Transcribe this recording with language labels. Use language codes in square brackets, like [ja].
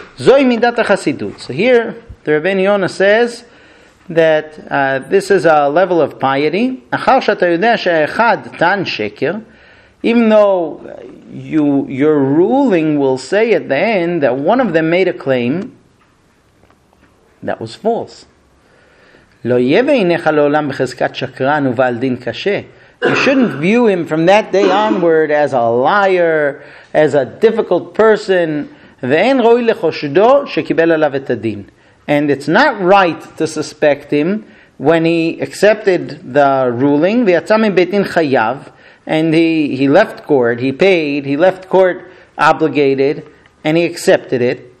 [he] זוהי מידת החסידות. [en] So here, the Rabbeinu Yonah says that this is a level of piety. [he] אחר שאתה יודע שהאחד טען שקר, [en] even though your ruling will say at the end that one of them made a claim that was false. [he] לא יהיה בעיניך לעולם בחזקת שקרן ובעל דין קשה. [en] You shouldn't view him from that day onward as a liar, as a difficult person. [he] ואין רואי לחושדו שקיבל עליו את הדין. [en] And it's not right to suspect him when he accepted the ruling, [he] ויצא מבית דין חייב, [en] and he left court, he paid, he left court obligated, and he accepted it.